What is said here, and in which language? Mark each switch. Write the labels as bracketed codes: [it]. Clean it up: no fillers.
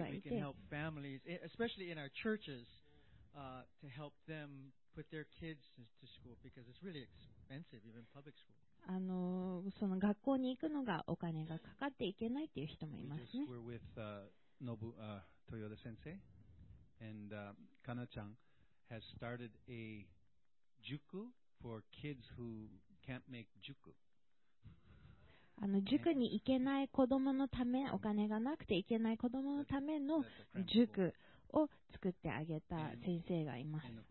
[en] that's another way that we can help families, especially in our churches, to help them put their kids to school because it's really expensive, even public school. [ja] その学校に行くのがお金がかかっていけないっていう人もいますね。 [en] We're with Nobu Toyoda Sensei, and Kana-chan has started a juku for kids who can't make juku. [ja] 塾に行けない子どものため、お金がなくて行けない子どものための塾を作ってあげた先生がいます。